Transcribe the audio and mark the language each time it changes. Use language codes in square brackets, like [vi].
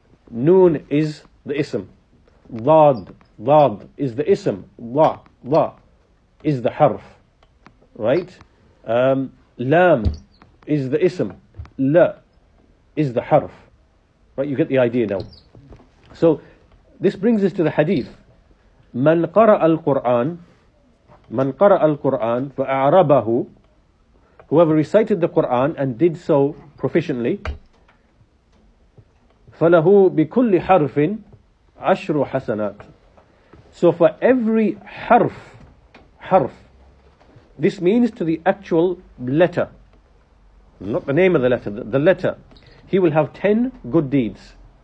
[en] Noon is the ism. Dad, dad is the ism. La, la is the harf. Right? Lam is the ism. La is the harf. Right? You get the idea now. So, this brings us to the hadith. [ar] من قرأ القرآن من قرأ القرآن فأعربه. [en] Whoever recited the Quran and did so proficiently, [ar] فله بكل حرف عشر حسنات. [en] So for every harf, harf, this means to the actual letter, not the name of the letter, the letter, he will have 10 good deeds.